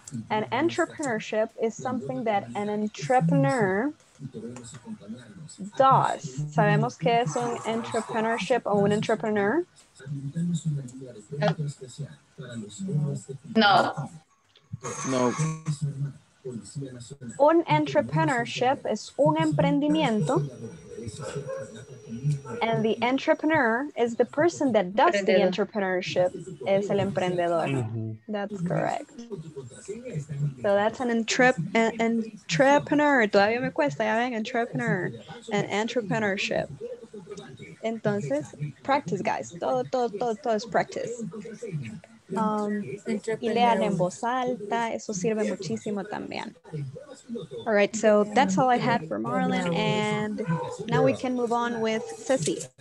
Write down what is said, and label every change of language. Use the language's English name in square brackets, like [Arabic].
[English] And entrepreneurship is something that an entrepreneur does. [Spanish] ¿Sabemos qué es un entrepreneurship o un entrepreneur? No. No. Un entrepreneurship es un emprendimiento. [English] And the entrepreneur is the person that does the entrepreneurship. [Spanish] Es el emprendedor. [English] Mm-hmm. That's correct. So that's an entrepreneur. [Spanish] Todavía me cuesta, ya ven, entrepreneur. [English] An entrepreneurship. [Spanish] Entonces, practice, guys. Todo es practice. Y lean en voz alta, eso sirve muchísimo también. [English] All right, so that's all I had for Marlon, and now we can move on with Ceci.